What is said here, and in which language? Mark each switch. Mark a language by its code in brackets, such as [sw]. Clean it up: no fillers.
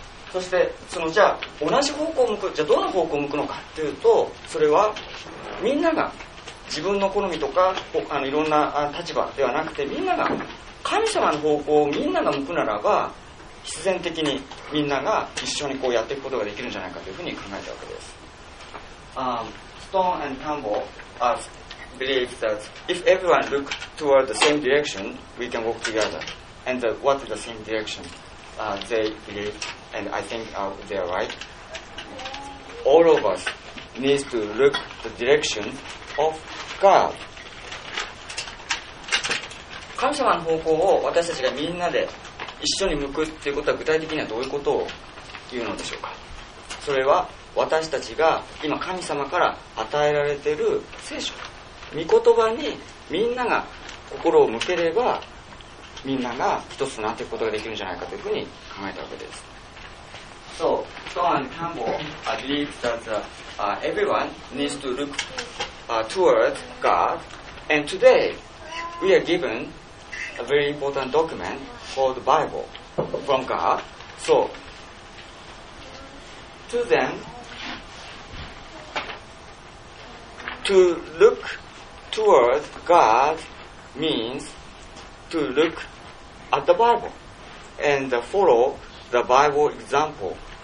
[ja] そしてそのじゃあ同じ方向を向く、じゃあどの方向を向くのかっていうと、それはみんなが自分の好みとかいろんな立場ではなくて、みんなが神様の方向をみんなが向くならば、必然的にみんなが一緒にこうやっていくことができるんじゃないかというふうに考えたわけです。 [en] Stone and Campbell believe that if everyone look toward the same direction, we can walk together. And the, what is the same direction? They believe, and I think they are right. All of us needs to look the directionOf God. [ja] 神様の方向を私たちがみんなで一緒に向くっていうことは、具体的にはどういうことを言うのでしょうか。それは私たちが今神様から与えられている聖書、御言葉にみんなが心を向ければ、みんなが一つになっていくことができるんじゃないかというふうに考えたわけです。 [en] So Stone and Campbell believe that everyone needs to lookToward God, and today we are given a very important document called the Bible from God. So, to them, to look toward God means to look at the Bible and follow the Bible example.